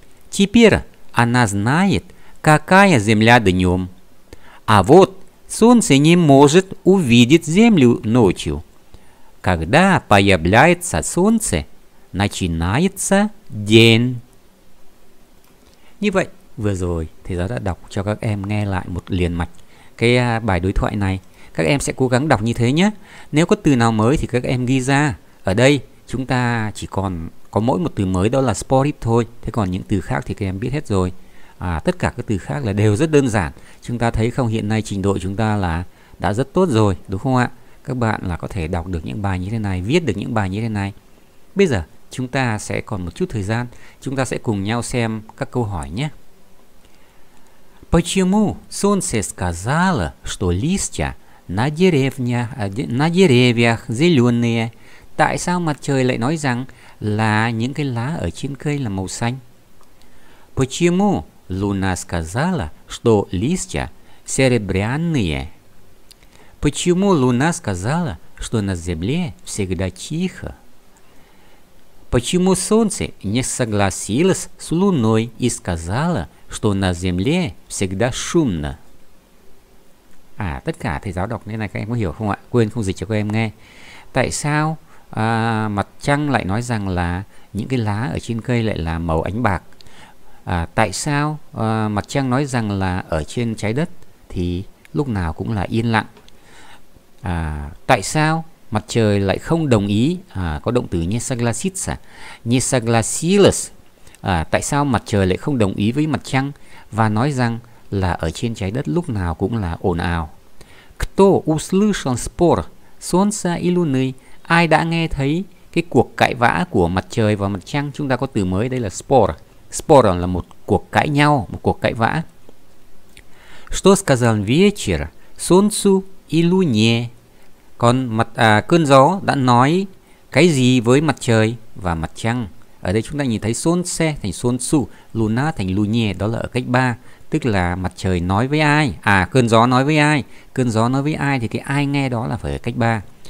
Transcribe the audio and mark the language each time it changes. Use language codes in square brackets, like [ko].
[ru] Теперь она знает, какая земля днем. А вот солнце не может увидеть землю ночью. Когда появляется солнце, начинается день. [vi] Như vậy, vừa rồi thầy giáo đã đọc cho các em nghe lại một liền mạch cái bài đối thoại này. Các em sẽ cố gắng đọc như thế nhé. Nếu có từ nào mới thì các em ghi ra. Ở đây chúng ta chỉ còn có mỗi một từ mới, đó là sport thôi. Thế còn những từ khác thì các em biết hết rồi. Tất cả các từ khác là đều rất đơn giản. Chúng ta thấy không, hiện nay trình độ chúng ta là đã rất tốt rồi, đúng không ạ? Các bạn là có thể đọc được những bài như thế này, viết được những bài như thế này. Bây giờ chúng ta sẽ còn một chút thời gian, chúng ta sẽ cùng nhau xem các câu hỏi nhé. [ru] Почему солнце сказало, что листья на деревьях зеленые? [vi] Tại sao mặt trời lại nói rằng là những cái lá ở trên cây là màu xanh? [ru] Почему луна сказала, что листья серебряные? Почему Луна сказала, что на Земле всегда тихо? Почему Солнце не согласилось с Луной и сказала, что на Земле всегда шумно? [vi] À, tất cả thầy giáo đọc nên là các em có hiểu không ạ? Quên không dịch cho các em nghe. Tại sao mặt trăng lại nói rằng là những cái lá ở trên cây lại là màu ánh bạc? Tại sao mặt trăng nói rằng là ở trên trái đất thì lúc nào cũng là yên lặng? Tại sao mặt trời lại không đồng ý? Có động từ nesaglasilis à? Nesaglasilis. Tại sao mặt trời lại không đồng ý với mặt trăng và nói rằng là ở trên trái đất lúc nào cũng là ồn ào? [ru] Кто услышал спор солнца и луны? [vi] Ai đã nghe thấy cái cuộc cãi vã của mặt trời và mặt trăng? Chúng ta có từ mới đây là спор. Спор là một cuộc cãi nhau, một cuộc cãi vã. [ru] Что сказал ветер солнцу и луне? [vi] Còn cơn gió đã nói cái gì với mặt trời và mặt trăng? Ở đây chúng ta nhìn thấy солнце thành солнцу, луна thành луне, đó là ở cách 3. Tức là mặt trời nói với ai? Cơn gió nói với ai? Cơn gió nói với ai thì cái ai nghe đó là phải ở cách 3.